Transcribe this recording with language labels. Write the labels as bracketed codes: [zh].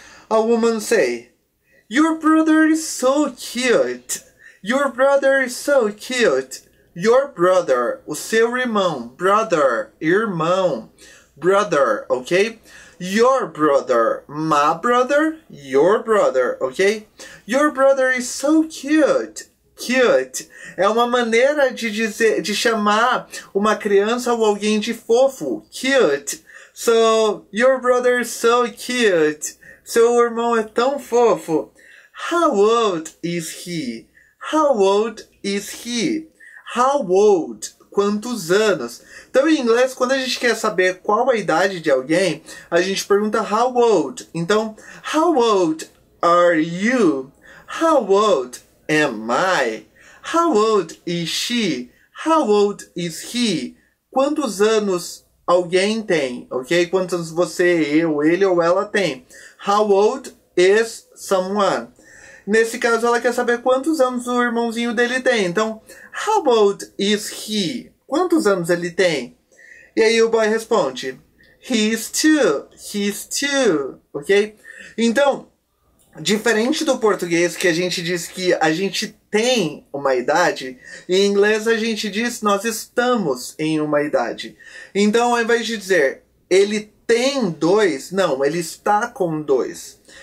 [en] A woman say, "Your brother is so cute. Your brother is so cute. Your brother, [pt] o seu irmão. [en] Brother, irmão. Brother, ok? Your brother, my brother. Your brother, ok? Your brother is so cute. Cute. [pt] É uma maneira de dizer, de chamar uma criança ou alguém de fofo. [en] Cute. So, your brother is so cute. [pt] Seu irmão é tão fofo. [en] How old is he? How old is he? How old? [pt] Quantos anos? Então, em inglês, quando a gente quer saber qual a idade de alguém, a gente pergunta how old. [en] Então, how old are you? How old am I? How old is she? How old is he? [pt] Quantos anos alguém tem? Ok? Quantos anos você, eu, ele ou ela tem? [en] How old is someone? [pt] Nesse caso, ela quer saber quantos anos o irmãozinho dele tem. Então, [en] how old is he? [pt] Quantos anos ele tem? E aí o [en] boy responde, he's two, he's two, ok? [pt] Então, diferente do português que a gente diz que a gente tem uma idade, em inglês a gente diz nós estamos em uma idade. Então, ao invés de dizer ele tem dois, não, ele está com dois.